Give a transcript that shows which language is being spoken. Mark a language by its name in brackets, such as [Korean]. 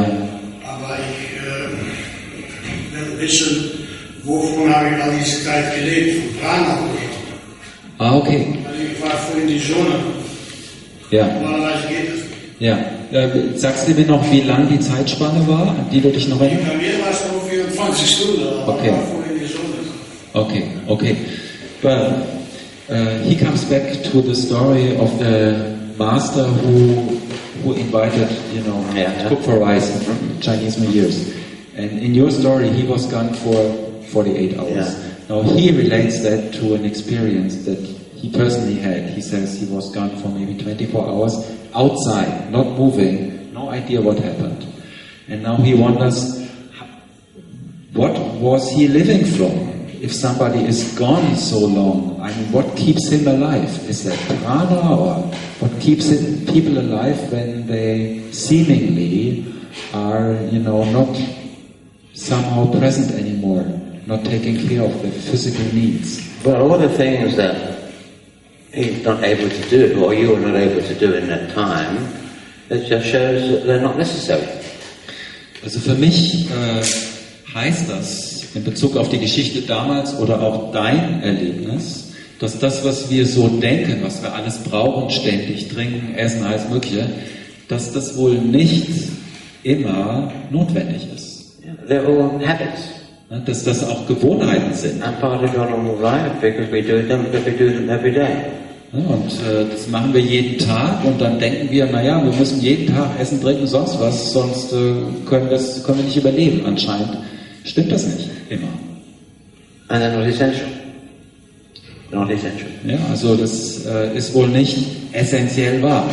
[German] Aber ich will wissen, wovon habe ich all diese Zeit gelebt? Von Prana. Ah, okay. Also ich war vorhin in die Sonne. Ja. Normalerweise geht das. Ja. Sagst du mir noch, wie lang die Zeitspanne war? Die würde ich noch erinnern. Bei mir war es nur 24 Stunden, aber okay. Ich war vorhin in die Sonne. Okay. [English] But he comes back to the story of the master who invited, you know, to cook for rice in Chinese New Year's. And in your story, he was gone for 48 hours. Yeah. Now he relates that to an experience that he personally had. He says he was gone for maybe 24 hours outside, not moving, no idea what happened. And now he wonders, what was he living from? If somebody is gone so long, I mean, what keeps him alive? Is that prana, or what keeps people alive when they seemingly are, you know, not somehow present anymore? Not taking care of the physical needs. Well, all the things that he's not able to do, or you are not able to do in that time, it just shows that they're not necessary. [German] Also für mich heißt das, in Bezug auf die Geschichte damals oder auch dein Erlebnis, dass das, was wir so denken, was wir alles brauchen, ständig trinken, essen, alles Mögliche, dass das wohl nicht immer notwendig ist. [English] Yeah, they're all habits. [German] Dass das auch Gewohnheiten sind. [English] I'm part of our normal life because we do them, because we do them every day. [German] Und das machen wir jeden Tag und dann denken wir, naja, wir müssen jeden Tag essen, trinken, sonst was, sonst können wir nicht überleben. Anscheinend stimmt das nicht immer. [English] And they're not essential. They're not essential. [German] Ja, also das ist wohl nicht essentiell wahr.